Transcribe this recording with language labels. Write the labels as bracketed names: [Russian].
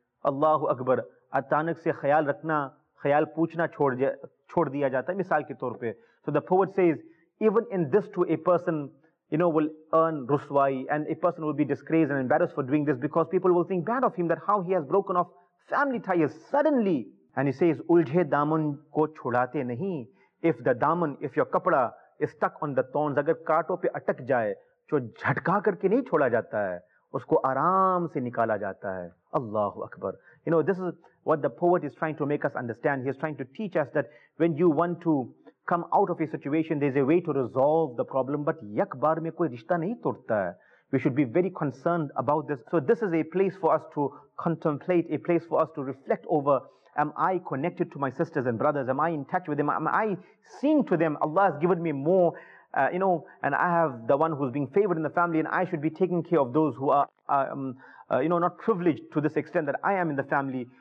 [Urdu] Allahu akbar, achanak se khayal rakhna, خیال پوچھنا چھوڑ دیا جاتا ہے مثال کی طور پر. [English] So the poet says, even in this too, a person, you know, will earn ruswai, and a person will be disgraced and embarrassed for doing this, because people will think bad of him, that how he has broken off family ties suddenly. And he says, [Urdu] الجھے دامن کو چھوڑاتے نہیں. [English] If the daman, if your kapda is stuck on the thorns, [Urdu] اگر کاٹو پہ اٹک جائے, جو جھٹکا کر کے نہیں چھوڑا جاتا ہے, اس کو آرام سے نکالا جاتا ہے. [Arabic] اللہ اکبر. [English] You know, this is what the poet is trying to make us understand. He is trying to teach us that when you want to come out of a situation there is a way to resolve the problem [Urdu] but یک بار میں کوئی رشتہ نہیں توڑتا ہے [English] We should be very concerned about this so this is a place for us to contemplate a place for us to reflect over am I connected to my sisters and brothers am I in touch with them am I saying to them Allah has given me more you know, and I have the one who's being favored in the family, and I should be taking care of those who are, you know, not privileged to this extent that I am in the family.